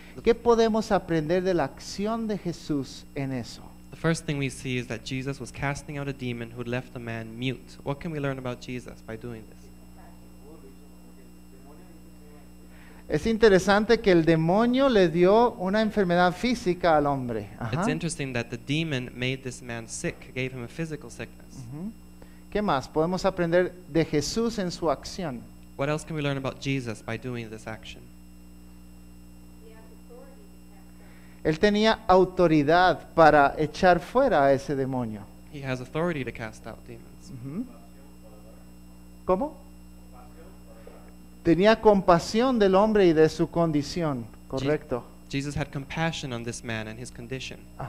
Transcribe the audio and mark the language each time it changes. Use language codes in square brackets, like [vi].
[es] ¿Qué podemos aprender de la acción de Jesús en eso? [en] The first thing we see is that Jesus was casting out a demon who left a man mute. What can we learn about Jesus by doing this? [es] Es interesante que el demonio le dio una enfermedad física al hombre. [en] It's interesting that the demon made this man sick, gave him a physical sickness. [es] ¿Qué más podemos aprender de Jesús en su acción? [en] What else can we learn about Jesus by doing this action? [es] Él tenía autoridad para echar fuera a ese demonio. [en] He has authority to cast out demons. [es] ¿Cómo? Tenía compasión del hombre y de su condición, correcto. [en] Jesus had compassion on this man and his condition.